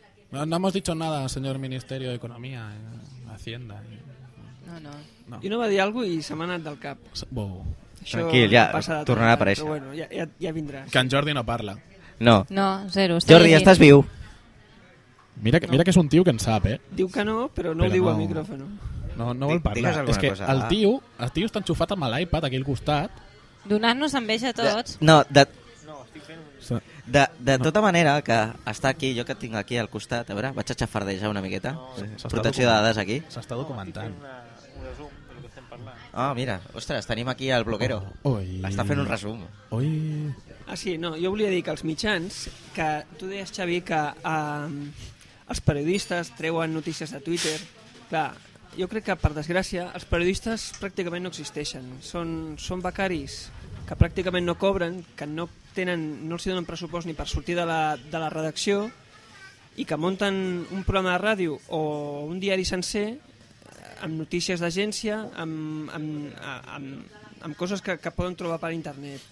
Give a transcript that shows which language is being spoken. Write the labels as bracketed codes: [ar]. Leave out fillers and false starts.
[es] No hemos dicho nada, señor Ministerio de Economía, Hacienda. No. [ca] Jo no va dir algo i se m'ha anat del cap. Tranquil, ja tornarà a aparèixer. Però bueno, ja vindrà. Que en Jordi no parla. No. No, zero. Jordi, ja estàs viu. Mira que és un tio que en sap, eh? Diu que no, però no ho diu al micròfon. No vol parlar. És que el tio està enxufat amb l'iPad aquí al costat. Donant-nos enveja a tots. De tota manera que està aquí, jo que tinc aquí al costat, a veure, vaig a xafardejar una miqueta. Protecció de dades aquí. S'està documentant. Ah, mira, ostres, tenim aquí el bloguero. Està fent un resum. Ah, sí, no, jo volia dir que els mitjans, que tu deies, Xavi, que... els periodistes treuen notícies de Twitter. Clar, jo crec que, per desgràcia, els periodistes pràcticament no existeixen. Són becaris que pràcticament no cobren, que no els donen pressupost ni per sortir de la redacció i que munten un programa de ràdio o un diari sencer amb notícies d'agència, amb coses que poden trobar per internet.